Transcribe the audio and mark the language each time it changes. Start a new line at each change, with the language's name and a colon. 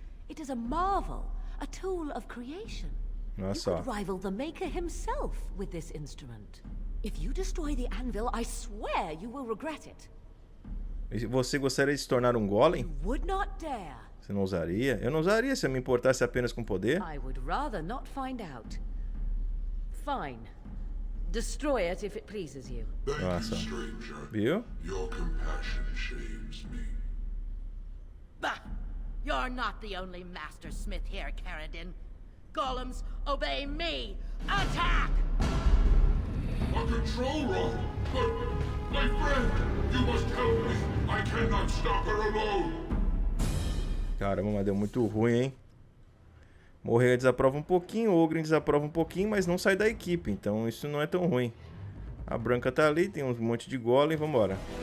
English: It is a marvel, a tool of creation.
Portuguese: Nossa.
English: You could rival the Maker himself with this instrument. If you destroy the anvil, I swear you will regret it.
Portuguese: Você gostaria de se tornar um golem?
English: You would not dare.
Portuguese: Você não ousaria? Eu não ousaria se eu me importasse apenas com poder.
English: I would rather not find out. Fine. Destroy it if it pleases you. Thank you, stranger.
Portuguese: Viu?
English: Your compassion shames me. Bah! You're not the only master smith here, Carradine. Golems, obey me! Attack! A control rod? But, my friend, you must help me. I cannot stop her alone.
Portuguese: Caramba, mas deu muito ruim, hein? Morrer desaprova um pouquinho, o Ogryn desaprova um pouquinho, mas não sai da equipe, então isso não é tão ruim. A Branca tá ali, tem um monte de golem, vambora.